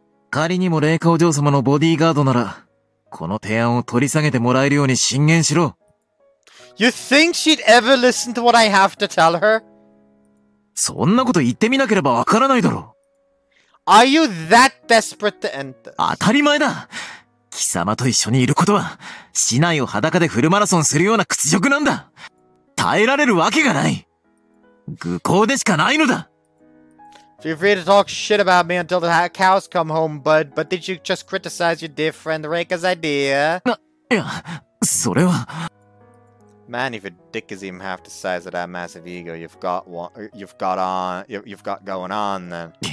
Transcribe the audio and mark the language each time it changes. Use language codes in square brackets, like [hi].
[ja] 仮にもレイカお嬢様のボディーガードなら、 この提案を取り下げてもらえるように進言しろ! [en] You think she'd ever listen to what I have to tell her? [ja] そんなこと言ってみなければわからないだろ! [en] Are you that desperate to enter? [ja] 当たり前だ! 貴様と一緒にいることは、市内を裸でフルマラソンするような屈辱なんだ! 耐えられるわけがない! 愚行でしかないのだ! [en] Feel free to talk shit about me until the cows come home, bud. But did you just criticize your dear friend Reika's idea? [ja] いや、それは… [en] Man, if your dick is even half the size of that massive ego you've got going on, then.